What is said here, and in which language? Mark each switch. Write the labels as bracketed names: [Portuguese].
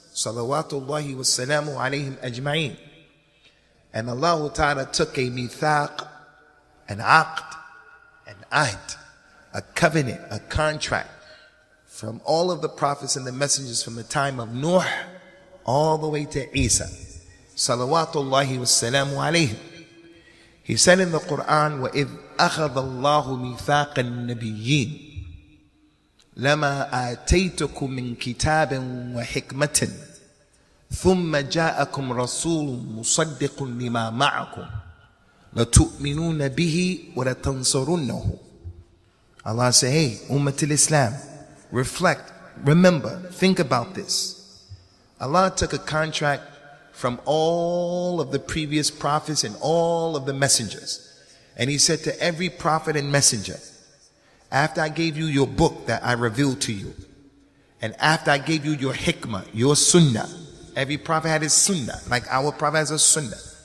[English] Salawatullahi wa salamu alayhim ajma'in. And Allah Ta'ala took a mithaq, an aqd, an ahd, a covenant, a contract from all of the prophets and the messengers from the time of Nuh all the way to Isa. Salawatullahi wa salamu alayhim. He said in the Quran, [Arabic] وَإِذْ أَخَذَ اللَّهُ مِثَاقَ النَّبِيِّينَ لَمَا آتَيْتُكُم مِّن كِتَابٍ وَحِكْمَةٍ ثُمَّ جَاءَكُمْ رَسُولٌ مُصَدِّقٌ لِمَا مَعَكُمْ لَتُؤْمِنُونَ بِهِ وَلَتَنصُرُنَّهُ. [English] Allah said, hey, Ummat al-Islam, reflect, remember, think about this. Allah took a contract from all of the previous prophets and all of the messengers. And he said to every prophet and messenger, after I gave you your book that I revealed to you, and after I gave you your hikmah, your sunnah, every prophet had his sunnah, like our prophet has a sunnah.